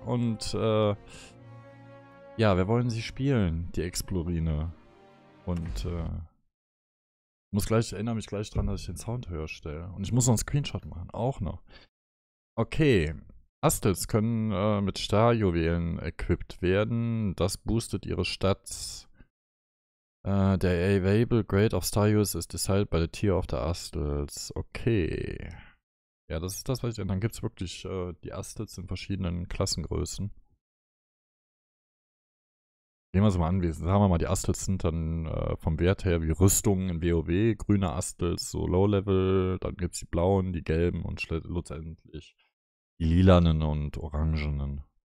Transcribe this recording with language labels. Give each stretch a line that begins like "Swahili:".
German: Und, ja, wir wollen sie spielen, die Explorine. Und, erinnere mich gleich dran, dass ich den Sound höher stelle. Und ich muss noch einen Screenshot machen, auch noch. Okay. Astels können mit Starjuwelen equipped werden. Das boostet ihre Stats.
English: Der Available Grade of Starjuwels is decided by the Tier of the Astels. Okay.
German: Ja, das ist das, was ich... Und dann gibt's wirklich die Astels in verschiedenen Klassengrößen. Nehmen wir sie mal an, die Astels sind dann vom Wert her wie Rüstungen in WoW, grüne Astels, so Low-Level, dann gibt's die blauen, die gelben und letztendlich die lilanen und orangenen.